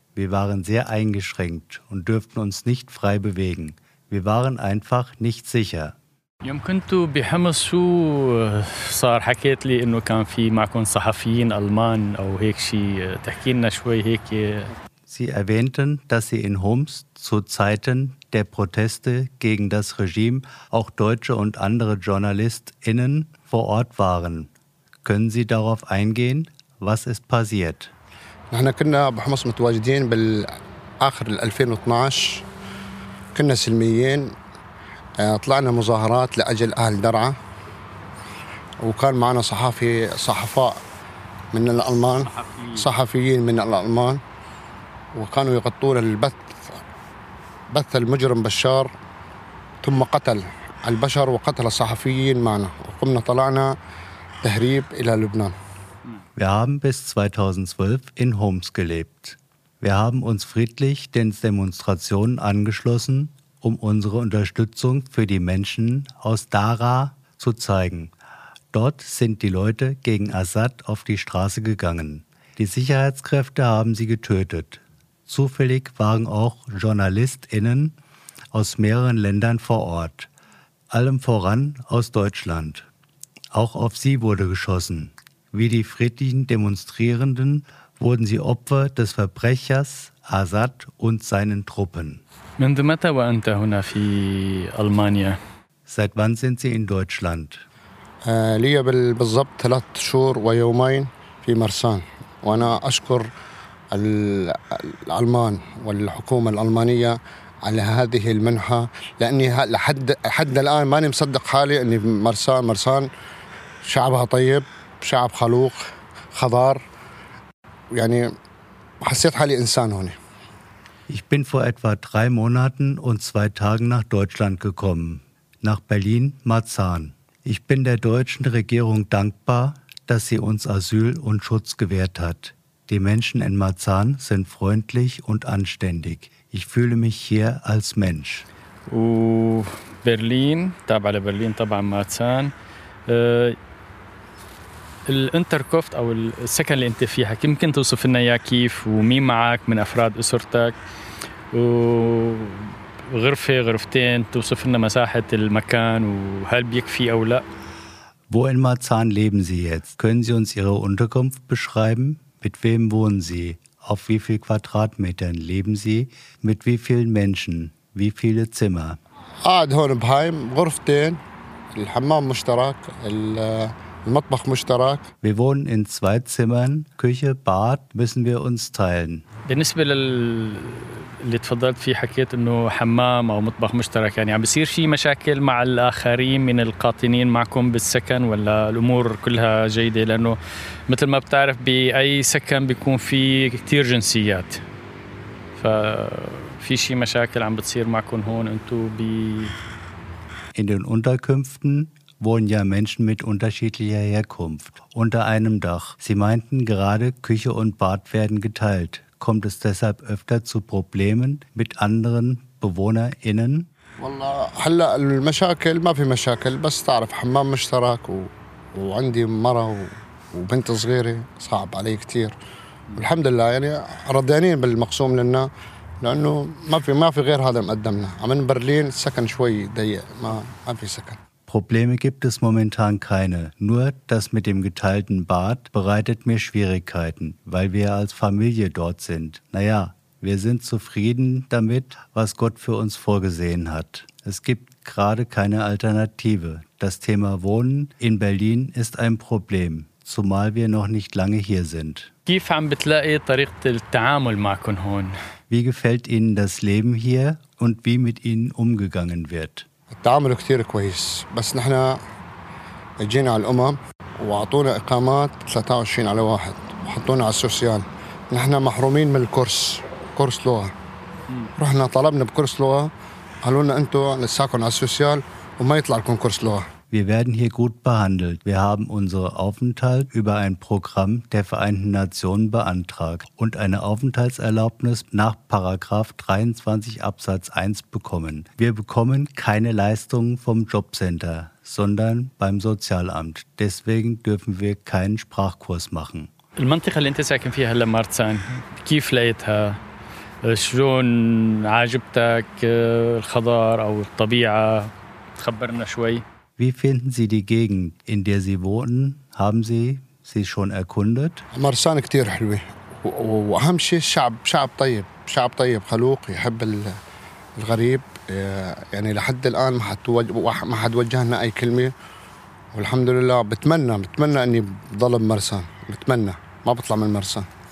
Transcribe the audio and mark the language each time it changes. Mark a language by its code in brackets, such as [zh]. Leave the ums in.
[de] Wir waren sehr eingeschränkt und dürften uns nicht frei bewegen. Wir waren einfach nicht sicher. [ar] يوم كنت بحمص شو صار حكيت لي انه كان في معكم صحفيين المان او هيك شيء تحكي لنا شوي هيك [de] Sie erwähnten, dass sie in Homs zu Zeiten der Proteste gegen das Regime auch deutsche und andere JournalistInnen vor Ort waren. Können Sie darauf eingehen? Was ist passiert? [ar] نحن كنا بحمص متواجدين بالآخر 2012 كنا سلميين آه، طلعنا مظاهرات لأجل أهل درعا وكان معنا صحافي صحفاء من الألمان صحفيين من الألمان وكانوا يغطون البث بث المجرم بشار ثم قتل البشر وقتل الصحفيين معنا وقمنا طلعنا تهريب إلى لبنان [de] Wir haben bis 2012 in Homs gelebt. Wir haben uns friedlich den Demonstrationen angeschlossen, um unsere Unterstützung für die Menschen aus Dara zu zeigen. Dort sind die Leute gegen Assad auf die Straße gegangen. Die Sicherheitskräfte haben sie getötet. Zufällig waren auch JournalistInnen aus mehreren Ländern vor Ort, allem voran aus Deutschland. Auch auf sie wurde geschossen. Wie die friedlichen Demonstrierenden wurden sie Opfer des Verbrechers Assad und seinen Truppen. [ar] منذ متى وانت هنا في المانيا؟ [de] Seit wann sind sie in Deutschland? [ar] آه، لي بال- بالضبط ثلاث شهور ويومين في مرسان وأنا أشكر ال- الألمان والحكومة الألمانية على هذه المنحة لأني ه- لحد حد الآن ماني مصدق حالي أني مرسان مرسان شعبها طيب شعب خلوق خضار يعني حسيت حالي إنسان هنا [de] Ich bin vor etwa drei Monaten und zwei Tagen nach Deutschland gekommen, nach Berlin-Marzahn. Ich bin der deutschen Regierung dankbar, dass sie uns Asyl und Schutz gewährt hat. Die Menschen in Marzahn sind freundlich und anständig. Ich fühle mich hier als Mensch. [ar] وبرلين تابعة لبرلين طبعا ماتسان آه، الانتركوفت او السكن اللي انت فيها كم ممكن توصف لنا اياه كيف ومين معك من افراد اسرتك وغرفه غرفتين توصف لنا مساحه المكان وهل بيكفي او لا [de] Wo in Marzahn leben Sie jetzt? Können Sie uns Ihre Unterkunft beschreiben? Mit wem wohnen Sie? Auf wie viel Quadratmetern leben Sie? Mit wie vielen Menschen? Wie viele Zimmer? [ar] قاعد هون بهايم غرفتين الحمام مشترك ال- المطبخ مشترك [de] Wir wohnen in zwei Zimmern. Küche, Bad müssen wir uns teilen. [ar] بالنسبه لل اللي تفضلت فيه حكيت انه حمام او مطبخ مشترك يعني عم بصير في مشاكل مع الاخرين من القاطنين معكم بالسكن ولا الامور كلها جيده لانه مثل ما بتعرف باي سكن بيكون في كتير جنسيات ففي شي مشاكل عم بتصير معكم هون انتم ب [de] In den Unterkünften wohnen ja Menschen mit unterschiedlicher Herkunft unter einem Dach. Sie meinten gerade, Küche und Bad werden geteilt. Kommt es deshalb öfter zu Problemen mit anderen BewohnerInnen? [ar] والله هلا المشاكل ما في مشاكل بس تعرف حمام مشترك و... وعندي مرة و... وبنت صغيرة صعب علي كتير الحمد لله يعني رضيانين بالمقسوم لنا لأنه ما في ما في غير هذا مقدمنا عم برلين السكن شوي ضيق ما ما في سكن [de] Probleme gibt es momentan keine. Nur das mit dem geteilten Bad bereitet mir Schwierigkeiten, weil wir als Familie dort sind. Naja, wir sind zufrieden damit, was Gott für uns vorgesehen hat. Es gibt gerade keine Alternative. Das Thema Wohnen in Berlin ist ein Problem, zumal wir noch nicht lange hier sind. [ar] كيف عم بتلاقي طريقه التعامل معكم هون [de] Wie gefällt Ihnen das Leben hier und wie mit Ihnen umgegangen wird? [ar] التعامل كتير كويس بس نحن جينا على الأمم وأعطونا إقامات 23 على واحد وحطونا على السوسيال نحن محرومين من الكورس كورس لغة رحنا طلبنا بكورس لغة قالوا لنا أنتوا لساكم على السوسيال وما يطلع لكم كورس لغة [de] Wir werden hier gut behandelt. Wir haben unseren Aufenthalt über ein Programm der Vereinten Nationen beantragt und eine Aufenthaltserlaubnis nach Paragraf 23 Absatz 1 bekommen. Wir bekommen keine Leistungen vom Jobcenter, sondern beim Sozialamt. Deswegen dürfen wir keinen Sprachkurs machen. [ar] المنطقة اللي أنت ساكن فيها هلا مارتسان كيف لقيتها؟ شلون عاجبتك آه، الخضار أو الطبيعة؟ تخبرنا شوي [de] Wie finden Sie die Gegend, in der Sie wohnen? Haben Sie sie schon erkundet? [ar] مرسان كتير حلوة و- و- وأهم شيء الشعب شعب طيب شعب طيب خلوق يحب ال- الغريب إيه، يعني لحد الآن ما حد توج- وح- ما حد وجه لنا أي كلمة والحمد لله بتمنى بتمنى إني بضل بمرسان بتمنى ما بطلع من مرسان